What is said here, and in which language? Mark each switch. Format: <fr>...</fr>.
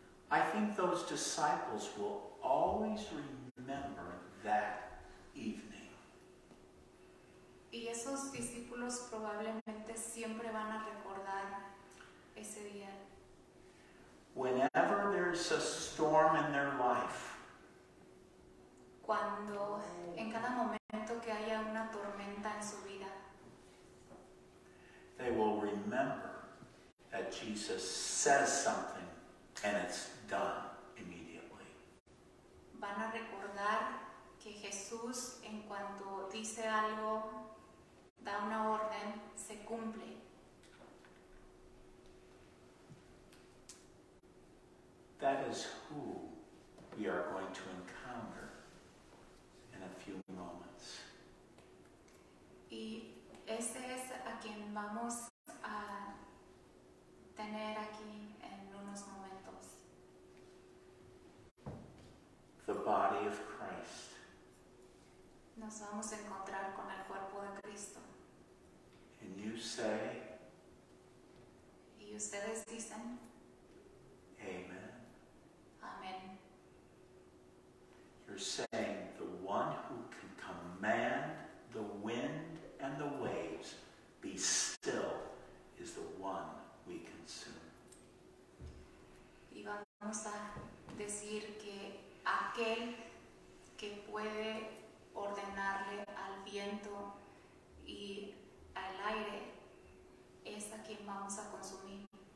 <en>I think those disciples will always remember that evening.</en> <es>Y esos discípulos probablemente siempre van a recordar ese día.</es> <en>Whenever there's a storm in their life,</en> <es>cuando en cada momento que haya una tormenta en su vida,</es> <en>they will remember that Jesus says something and it's done immediately.</en> <es>Van a recordar que Jesús, en cuanto dice algo, da una orden, se cumple.</es> <en>That is who we are going to encounter in a few moments.</en> <es>Y ese es a quien vamos a tener aquí en unos momentos.</es> <en>The body of Christ.</en> <es>Nos vamos a encontrar con el cuerpo de Cristo.</es> <en>And you say,</en> <es>y ustedes dicen, amen. Amen.</es> <en>You're saying the one who can command the wind and the waves be still is the one we consume.</en> <es>Y vamos a decir que aquel que puede ordenarle al viento y al aire es a quien vamos a consumir.</es>